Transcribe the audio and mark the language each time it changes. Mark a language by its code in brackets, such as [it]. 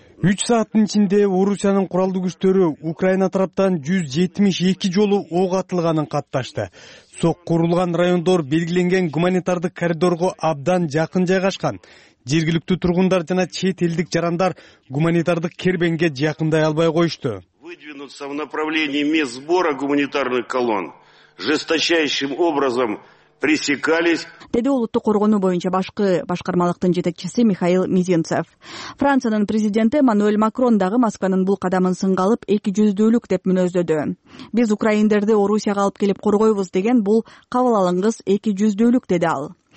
[ky] 3 сааттын ичинде Орусиянын куралдуу күчтөрү Украина тараптан 172 жолу ок атылганын катташты. Соккурулган райондор белгиленген гуманитардык коридорго абдан жакын жайгашкан. Жергиликтүү тургундар жана чет элдик жарандар гуманитардык кербенге жакындай албай коюшту. [ru] Выдвинуться в направлении мест сбора гуманитарных колонн жесточайшим образом пресекались. [ky] Деди улуттук коргоону боюнча башкармалыктын жетекчиси Михаил Мизинцев. Франциянын президенти Эммануэль Макрон дагы Москванын бул кадамын сынгалып, эки жүздүүлүк деп мүнөздөдү. Биз украиндерди Орусияга алып келип коргойбуз деген бул кабыл алынгыс эки жүздүүлүк, деди ал.